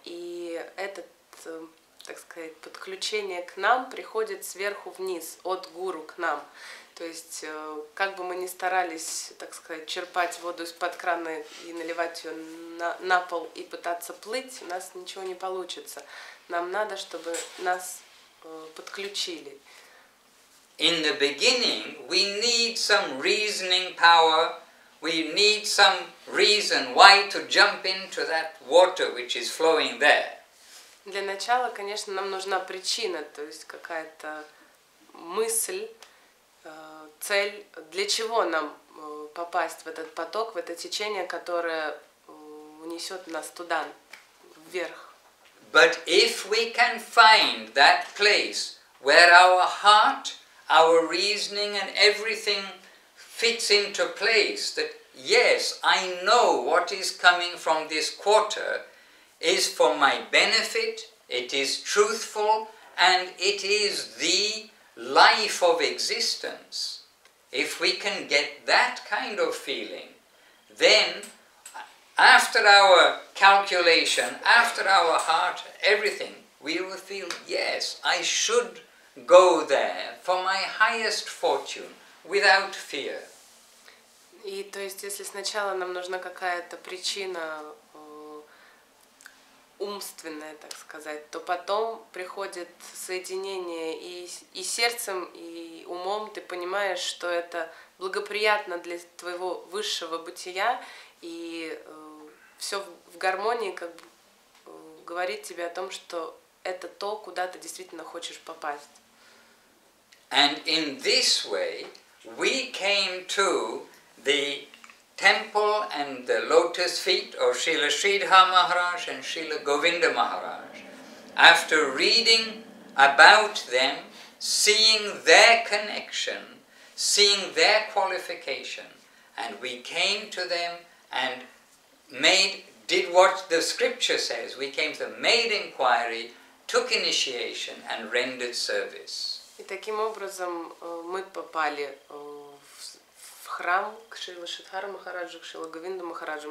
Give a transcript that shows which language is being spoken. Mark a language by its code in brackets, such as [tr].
[ru] И этот, так сказать, подключение к нам приходит сверху вниз, от гуру к нам. То есть, как бы мы ни старались, так сказать, черпать воду из-под крана и наливать ее на пол и пытаться плыть, у нас ничего не получится. Нам надо, чтобы нас подключили. [en] In the beginning, we need some reasoning power, we need some reason why to jump into that water which is flowing there. [ru] Для начала, конечно, нам нужна причина, то есть какая-то мысль, цель, для чего нам попасть в этот поток, в это течение, которое унесет нас туда, вверх. [en] But if we can find that place where our heart, our reasoning and everything fits into place, that yes, I know what is coming from this quarter is for my benefit, it is truthful, and it is the life of existence. If we can get that kind of feeling, then after our calculation, after our heart, everything, we will feel, yes, I should go there for my highest fortune without fear. [ru] И то есть, если сначала нам нужна какая-то причина умственная, так сказать, то потом приходит соединение и сердцем, и умом, ты понимаешь, что это благоприятно для твоего высшего бытия, и все в гармонии, как бы говорит тебе о том, что это то, куда ты действительно хочешь попасть. [en] And in this way, we came to the temple and the lotus feet of Srila Sridhar Maharaj and Srila Govinda Maharaj. After reading about them, seeing their connection, seeing their qualification, and we came to them and did what the scripture says. We came to them, made inquiry, took initiation and rendered service. [ru] И таким образом мы попали в храм к Шрила Шридхара Махараджу, к Шрила Говинду Махараджу.